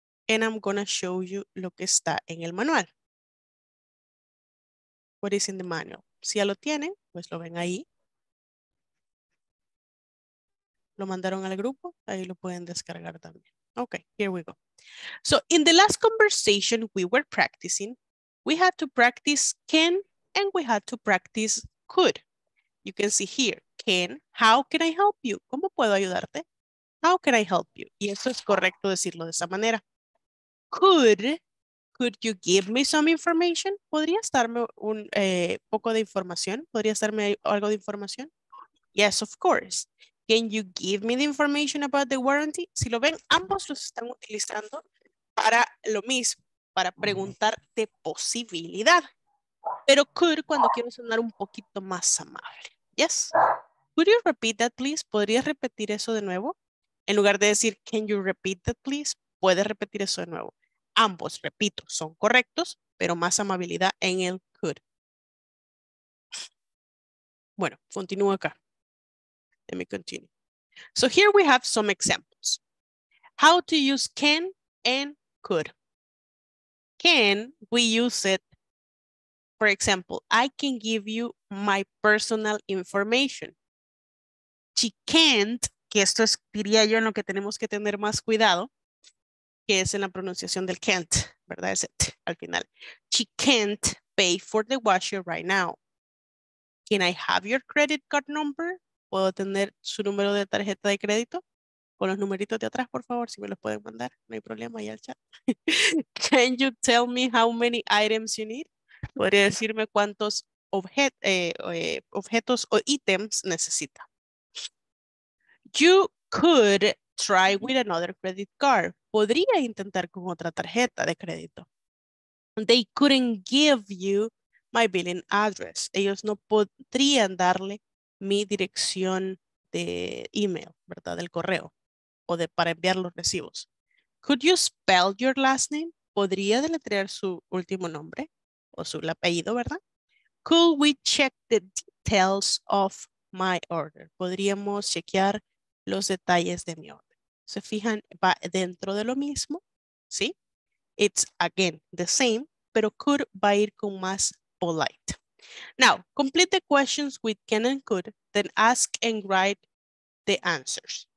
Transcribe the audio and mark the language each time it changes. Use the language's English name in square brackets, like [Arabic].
[English] And I'm going to show you [Spanish] lo que está en el manual. [English] What is in the manual? [Spanish] Si ya lo tienen, pues lo ven ahí. Lo mandaron al grupo, ahí lo pueden descargar también. [English] Okay, here we go. So in the last conversation we were practicing, we had to practice can and we had to practice could. You can see here, can, how can I help you? [Spanish] ¿Cómo puedo ayudarte? [English] How can I help you? [Spanish] Y eso es correcto decirlo de esa manera. [English] Could you give me some information? [Spanish] ¿Podrías darme un poco de información? ¿Podrías darme algo de información? [English] Yes, of course. Can you give me the information about the warranty? [Spanish] Si lo ven, ambos los están utilizando para lo mismo, para preguntar de posibilidad. Pero could cuando quiero sonar un poquito más amable. Yes. [English] Could you repeat that, please? [Spanish] ¿Podrías repetir eso de nuevo? En lugar de decir, [English] can you repeat that, please? [Spanish] Puedes repetir eso de nuevo. Ambos, repito, son correctos, pero más amabilidad en el could. Bueno, continúo acá. [English] Let me continue. So here we have some examples. How to use can and could. Can, we use it, for example, I can give you my personal information. She can't, [Spanish] que esto es, diría yo, en lo que tenemos que tener más cuidado, que es en la pronunciación del can't, ¿verdad? Es it, al final. [English] She can't pay for the washer right now. Can I have your credit card number? [Spanish] ¿Puedo tener su número de tarjeta de crédito? Con los numeritos de atrás, por favor, si me los pueden mandar. No hay problema, ahí al chat. [English] Can you tell me how many items you need? [Spanish] ¿Podría decirme cuántos objetos o ítems necesita? [English] You could try with another credit card. [Spanish] Podría intentar con otra tarjeta de crédito. [English] They couldn't give you my billing address. [Spanish] Ellos no podrían darle mi dirección de email, ¿verdad? Del correo o de para enviar los recibos. [English] Could you spell your last name? [Spanish] ¿Podría deletrear su último nombre o su apellido, ¿verdad? [English] Could we check the details of my order? [Spanish] ¿Podríamos chequear los detalles de mi orden? Se fijan, va dentro de lo mismo, ¿sí? [English] It's again the same, [Spanish] pero could va a ir con más polite. [English] Now, complete the questions with can and could, then ask and write the answers.